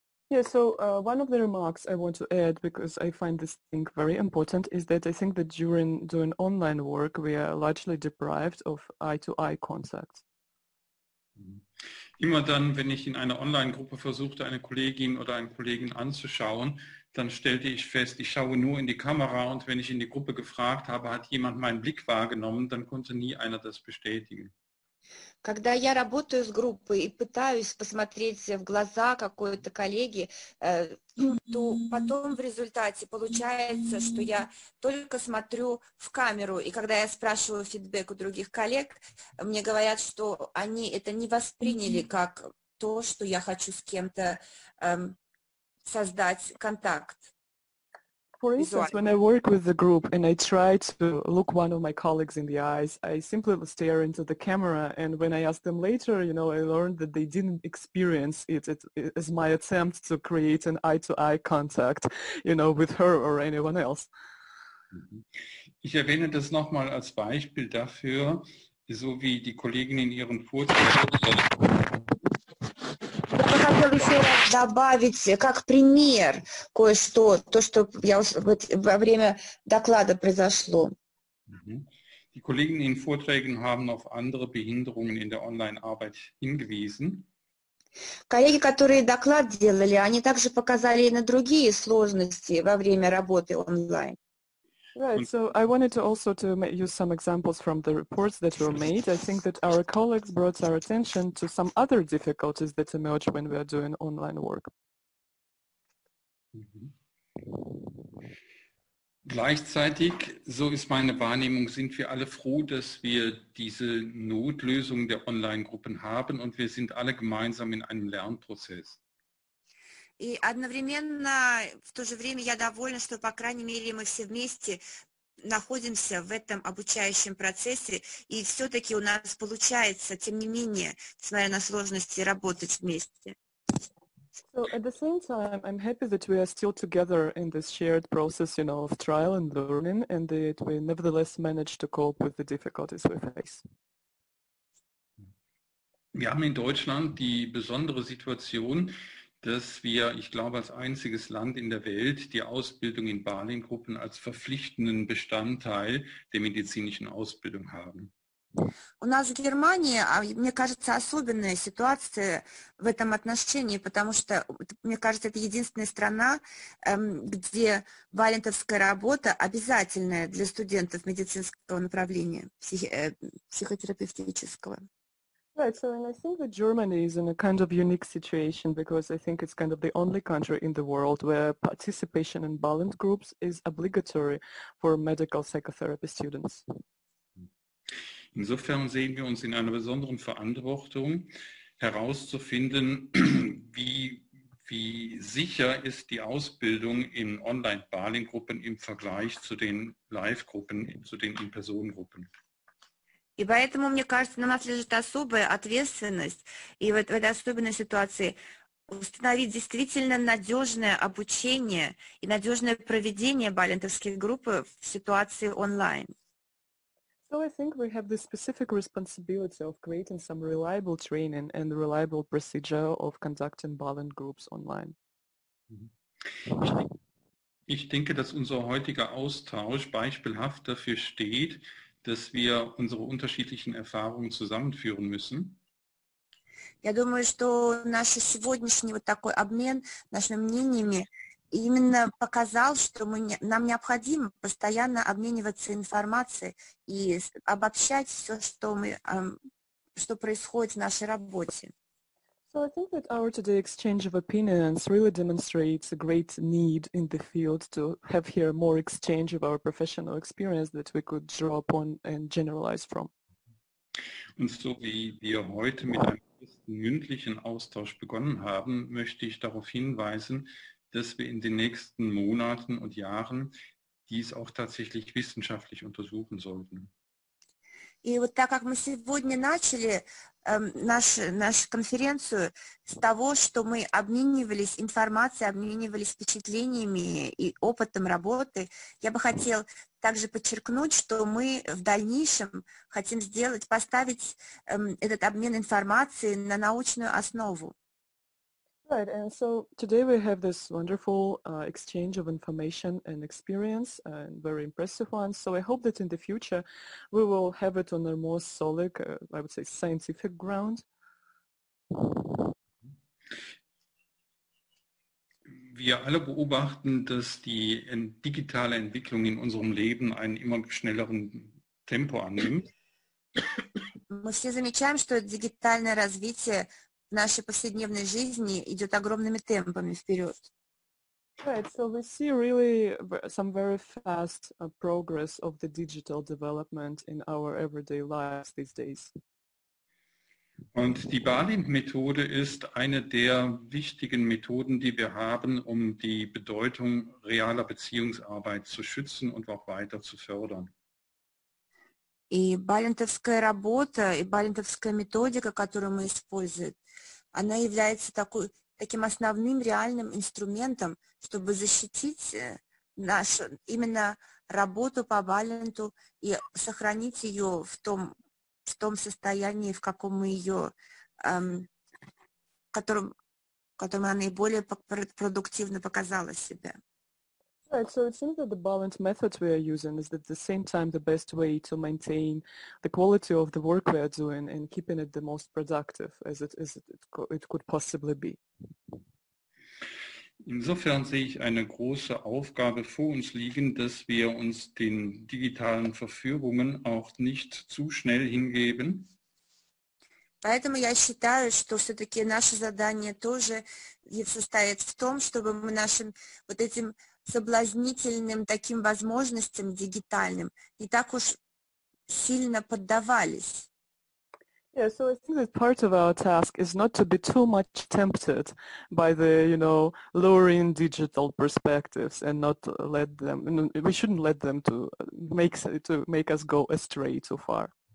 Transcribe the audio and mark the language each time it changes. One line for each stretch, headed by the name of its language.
English: Yeah, so one of the remarks I want to add, because I find this thing very important, is that I think that during doing online work we are largely deprived of eye-to-eye contact.
German: Immer dann, wenn ich in einer Online-Gruppe versuchte, eine Kollegin oder einen Kollegen anzuschauen, dann stellte ich fest, ich schaue nur in die Kamera und wenn ich in die Gruppe gefragt habe, hat jemand meinen Blick wahrgenommen, dann konnte nie einer das bestätigen.
Russian: Когда я работаю с группой и пытаюсь посмотреть в глаза какой-то коллеги, то потом в результате получается, что я только смотрю в камеру, и когда я спрашиваю фидбэк у других коллег, мне говорят, что они это не восприняли как то, что я хочу с кем-то создать контакт.
English: For instance, when I work with the group and I try to look one of my colleagues in the eyes, I simply stare into the camera, and when I ask them later, you know, I learned that they didn't experience it as my attempt to create an eye-to-eye contact, you know, with her or anyone else.
German: Ich erwähne das nochmal als Beispiel dafür, so wie die Kollegen in ihren Vorträgen.
Russian: Хотел еще раз добавить, как пример, кое-что, то, что я во время доклада произошло.
German: Die Kollegen in Vorträgen haben auf andere Behinderungen in der Online-Arbeit hingewiesen.
Russian: Коллеги, которые доклад делали, они также показали на другие сложности во время работы онлайн.
English: Right, so I wanted to also to use some examples from the reports that were made. I think that our colleagues brought our attention to some other difficulties that emerge when we are doing online work.
German: Gleichzeitig, so ist meine Wahrnehmung, sind wir alle froh, dass wir diese Notlösung der Online-Gruppen haben und wir sind alle gemeinsam in einem Lernprozess.
Russian: И одновременно, в то же время, я довольна, что, по крайней мере, мы все вместе находимся в этом обучающем процессе, и все-таки у нас получается, тем не менее, несмотря на сложности, работать вместе.
English: So at the same time, I'm happy that we are still together in this shared process, you know, of trial and learning, and that we nevertheless managed to cope with the difficulties we face.
German: Wir haben in Deutschland die besondere Situation, dass wir, ich glaube, als einziges Land in der Welt die Ausbildung in Berlin-Gruppen als verpflichtenden Bestandteil der medizinischen Ausbildung haben.
Russian: У нас в Германии, мне кажется, особенная ситуация в этом отношении, потому что, мне кажется, это единственная страна, где валентовская работа обязательная для студентов медицинского направления, психотерапевтического.
English: Right, so and I think that Germany is in a kind of unique situation because I think it's kind of the only country in the world where participation in Balint groups is obligatory for medical psychotherapy students.
German: Insofern sehen wir uns in einer besonderen Verantwortung herauszufinden, wie sicher ist die Ausbildung in Online-Balint-Gruppen im Vergleich zu den Live-Gruppen, zu den In-Personen-Gruppen.
Russian: И поэтому, мне кажется, на нас лежит особая ответственность, и вот в этой особенной ситуации установить действительно надежное обучение и надежное проведение балентовских групп в ситуации онлайн.
English: So I think we have the specific responsibility of creating some reliable training and reliable procedure of conducting balint groups online.
German: Ich denke, dass unser heutiger Austausch beispielhaft dafür steht, dass wir unsere unterschiedlichen Erfahrungen zusammenführen müssen.
Russian: Я думаю, что наш сегодняшний вот такой обмен нашими мнениями именно показал, что нам необходимо постоянно обмениваться информацией и обобщать все, что происходит в нашей работе.
English: So I think that our today exchange of opinions really demonstrates a great need in the field to have here more exchange of our professional experience that we could draw upon and generalize from.
German: Und so wie wir heute mit einem ersten mündlichen Austausch begonnen haben, möchte ich darauf hinweisen, dass wir in den nächsten Monaten und Jahren dies auch tatsächlich wissenschaftlich untersuchen sollten.
Russian: И вот так как мы сегодня начали нашу конференцию с того, что мы обменивались информацией, обменивались впечатлениями и опытом работы, я бы хотел также подчеркнуть, что мы в дальнейшем хотим сделать, поставить этот обмен информацией на научную основу.
English: Right, and so today we have this wonderful exchange of information and experience, and very impressive ones. So I hope that in the future we will have it on a more solid, I would say, scientific ground.
German: Wir alle beobachten, dass die digitale Entwicklung in unserem Leben einen immer schnelleren Tempo annimmt.
Russian: Мы все замечаем, что дигитальное развитие в нашей повседневной жизни идет огромными темпами вперед.
English: Right, so we see really some very fast progress of the digital development in our everyday lives these days.
German: Und die Balint-Methode ist eine der wichtigen Methoden, die wir haben, um die Bedeutung realer Beziehungsarbeit zu schützen und auch weiter zu fördern.
Russian: И балинтовская работа, и балинтовская методика, которую мы используем, она является таким основным реальным инструментом, чтобы защитить нашу именно работу по Балинту и сохранить ее в том состоянии, в каком мы ее, в котором она наиболее продуктивно показала себя.
English: Right, so it seems that the balance method we are using is at the same time the best way to maintain the quality of the work we are doing and keeping it the most productive as it could possibly be.
German: Insofern sehe ich eine große Aufgabe vor uns liegen, dass wir uns den digitalen Verführungen auch nicht zu schnell hingeben.
Russian: Поэтому я считаю, что все-таки наше задание тоже состоит в том, чтобы мы нашим вот этим соблазнительным таким возможностям дигитальным не так уж сильно поддавались.
English: Yeah, so I think that part of our task is not to be too much tempted by the, you know, luring digital perspectives and not let them, we shouldn't let them to make us go astray too far.